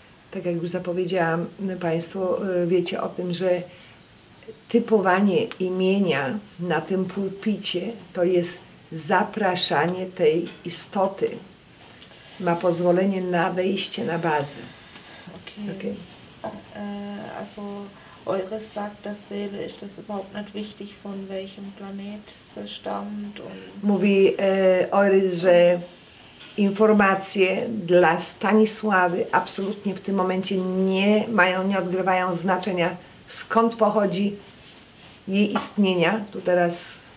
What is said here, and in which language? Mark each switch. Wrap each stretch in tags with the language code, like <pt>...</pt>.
<pl>Tak jak już zapowiedziałam, Państwo wiecie o tym, że typowanie imienia na tym pulpicie to jest zapraszanie tej istoty, ma pozwolenie na wejście na bazę. Okay.</pl> <de>Also Eures sagt dasselbe, ist das überhaupt nicht wichtig, von welchem Planet sie stammt?</de> <pl>Mówi Eures, że informacje dla Stanisławy absolutnie w tym momencie nie odgrywają znaczenia, skąd pochodzi jej istnienia. Tu teraz.</pl>